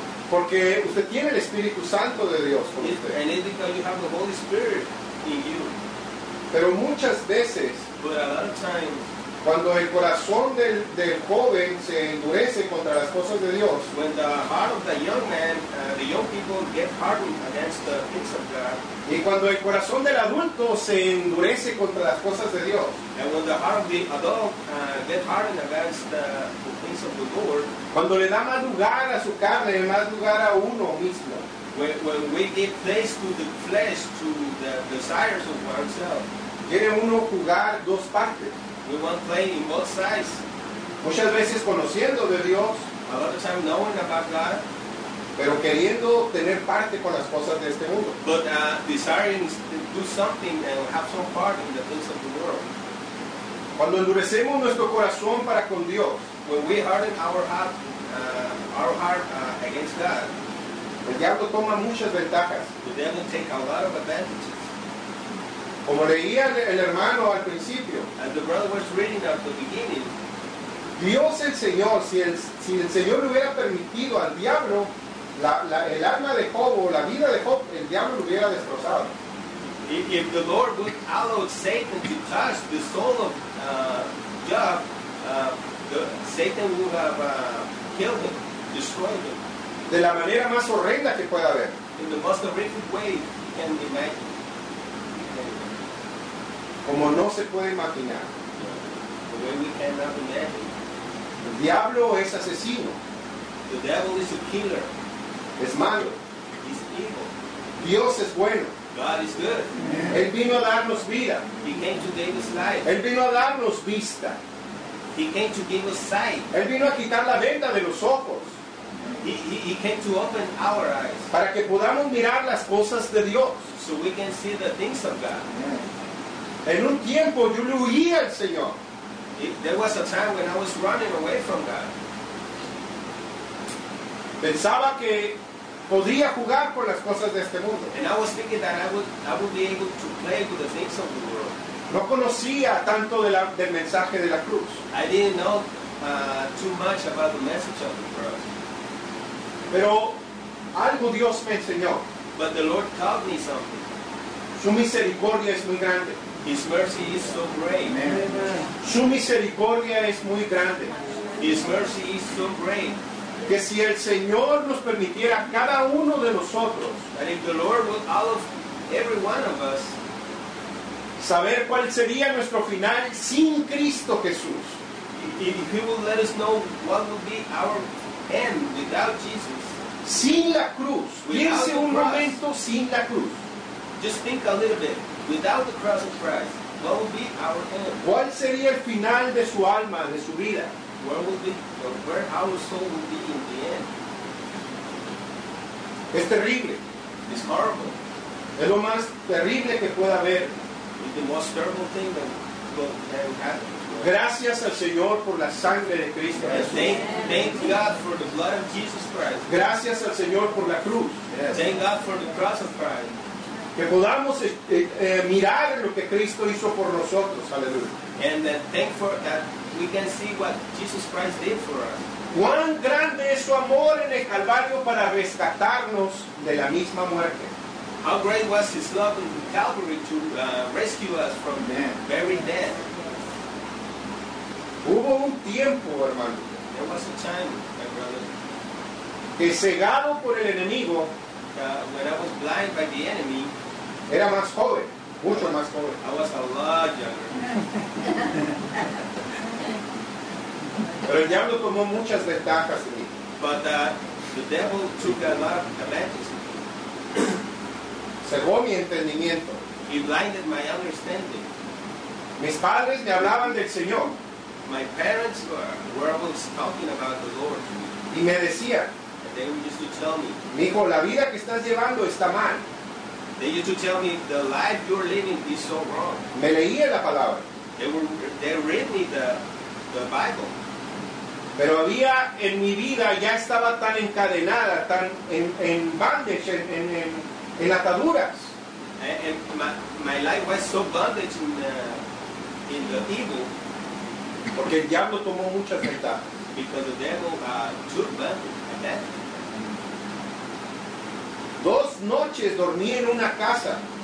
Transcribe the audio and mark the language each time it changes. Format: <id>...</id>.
<es>Porque usted tiene el Espíritu Santo de Dios con usted.</es> <en>And it's because you have the Holy Spirit in you.</en> <es>Pero muchas veces,</es> <en>but a lot of times,</en> <es>cuando el corazón del joven se endurece contra las cosas de Dios,</es> <en>when the heart of the young man, the young people get hardened against the things of God,</en> <es>y cuando el corazón del adulto se endurece contra las cosas de Dios,</es> <en>and when the heart of the adult get hardened against the things of the Lord,</en> <es>cuando le da más lugar a su carne, más lugar a uno mismo,</es> <en>when we give place to the flesh, to the desires of ourselves,</en> <es>quiere uno jugar dos partes.</es> <en>We want playing in both sides.</en> <es>Muchas veces conociendo de Dios,</es> <en>a lot of time knowing about God,</en> <es>pero queriendo tener parte con las cosas de este mundo.</es> <en>But desiring to do something and have some part in the things of the world.</en> <es>Cuando endurecemos nuestro corazón para con Dios,</es> <en>when we harden our heart against God,</en> <es>el diablo toma muchas ventajas.</es> <en>The devil take a lot of advantages.</en> <es>Como leía el hermano al principio,</es> <en>as the brother was reading at the beginning,</en> <es>Dios el Señor, si el Señor le hubiera permitido al diablo, el alma de Job o la vida de Job, el diablo lo hubiera destrozado.</es> <en>If the Lord would allow Satan to touch the soul of Job, Satan would have killed him, destroyed him.</en> <es>De la manera más horrenda que pueda haber.</es> <en>In the most horrific way you can imagine.</en> <es>Como no se puede imaginar.</es> <en>The way we cannot imagine.</en> <es>El diablo es asesino.</es> <en>The devil is a killer.</en> <es>Es malo.</es> <en>He's evil.</en> <es>Dios es bueno.</es> <en>God is good. Yeah.</en> <es>Él vino a darnos vida.</es> <en>He came to give us life.</en> <es>Él vino a darnos vista.</es> <en>He came to give us sight.</en> <es>Él vino a quitar la venda de los ojos.</es> <en>He came to open our eyes.</en> <es>Para que podamos mirar las cosas de Dios.</es> <en>So we can see the things of God. Yeah.</en> <es>En un tiempo yo le huía al Señor.</es> <en>There was a time when I was running away from God.</en> <es>Pensaba que podía jugar con las cosas de este mundo.</es> <en>And I was thinking that I would be able to play with the things of the world.</en> <es>No conocía tanto del mensaje de la cruz.</es> <en>I didn't know too much about the message of the cross.</en> <es>Pero algo Dios me enseñó.</es> <en>But the Lord taught me something.</en> <es>Su misericordia es muy grande.</es> <en>His mercy is so great.</en> <es>Amen. Su misericordia es muy grande.</es> <en>His mercy is so great.</en> <es>Que si el Señor nos permitiera cada uno de nosotros,</es> <en>and if the Lord would allow every one of us,</en> <es>saber cuál sería nuestro final sin Cristo Jesús,</es> <en>if he will let us know what will be our end without Jesus.</en> <es>Sin la cruz. Piense un momento sin la cruz.</es> <en>Just think a little bit. Without the cross of Christ, what will be our end?</en> <es>¿Cuál sería el final de su alma, de su vida?</es> <en>Where will be, where our soul will be in the end?</en> <es>Es terrible.</es> <en>It's horrible.</en> <es>Es lo más terrible que pueda haber.</es> <en>It's the most terrible thing that can happen.</en> <es>Gracias al Señor por la sangre de Cristo Jesús.</es> <en>Thank God for the blood of Jesus Christ.</en> <es>Gracias al Señor por la cruz.</es> <en>Yes. Thank God for the cross of Christ.</en> <es>Que podamos mirar lo que Cristo hizo por nosotros. Aleluya.</es> <en>And thank for that we can see what Jesus Christ did for us.</en> <es>Cuán grande es su amor en el Calvario para rescatarnos de la misma muerte.</es> <en>How great was his love in Calvary to rescue us from the very death.</en> <es>Hubo un tiempo, hermano,</es> <en>there was a time, my brother,</en> <es>que cegado por el enemigo,</es> <en>when I was blind by the enemy,</en> <es>era más joven, mucho más joven.</es> <en>I was a lot younger.</en> <es>Pero el diablo tomó muchas ventajas de mí.</es> <en>But the devil took a lot of advantages of me.</en> <es>Cegó mi entendimiento.</es> <en>He blinded my understanding.</en> <es>Mis padres me hablaban del Señor.</es> <en>My parents were always talking about the Lord to me.</en> <es>Y me decía,</es> <en>they used to tell me,</en> <es>mijo, la vida que estás llevando está mal.</es> <en>They used to tell me, the life you're living is so wrong.</en> <es>Me leía la palabra.</es> <en>They read me the Bible.</en> <es>Pero había en mi vida, ya estaba tan encadenada, tan en bondage, en ataduras.</es> <en>And my life was so bondage in the evil.</en> <es>Porque el diablo tomó muchas ventajas.</es> <en>Because the devil took advantage.</en> <es>Dos noches dormí en una casa.</es>